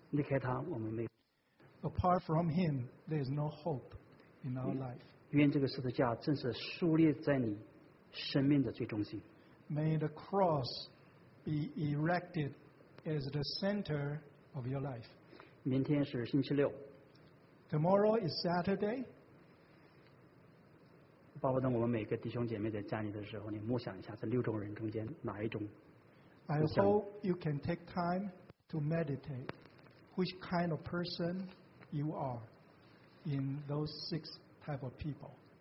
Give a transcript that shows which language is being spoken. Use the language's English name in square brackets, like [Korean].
[English] Apart from Him, there is no hope in our life. May the cross be erected as the center of your life. Tomorrow is Saturday. [Chinese] 爸爸，当我们每个弟兄姐妹在家里的时候，你默想一下，在六种人中间哪一种？ [English] I hope you can take time to meditate which kind of person you are in those six type of people.